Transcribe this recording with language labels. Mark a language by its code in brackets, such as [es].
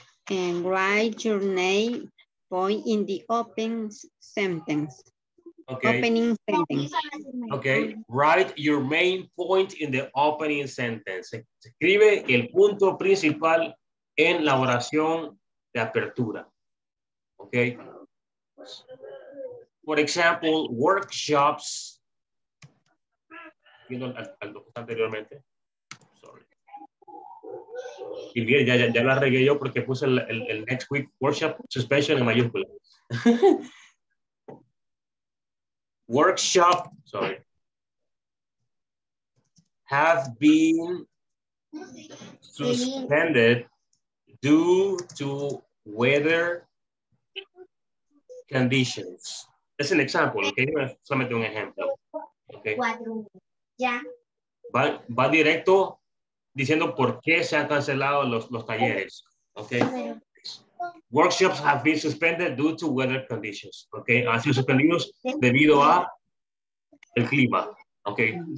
[en] And write your name point in the opening sentence. Okay. Opening sentence. Okay. Write your main point in the opening sentence. [es] Escribe el punto principal en la oración de apertura. [en] Okay. For example, workshops. [es] Viendo al documento anteriormente. Y bien, ya la regué yo porque puse el [en] next week workshop suspension [es] en mayúscula. [en] Workshop, sorry. Have been suspended due to weather conditions. [es] Es un [en] example, okay? [es] Solamente un ejemplo. [en] Okay. [es] Va directo. Diciendo por qué se han cancelado los talleres, okay? [en] Workshops have been suspended due to weather conditions, okay? [es] Han sido suspendidos debido a el clima, okay?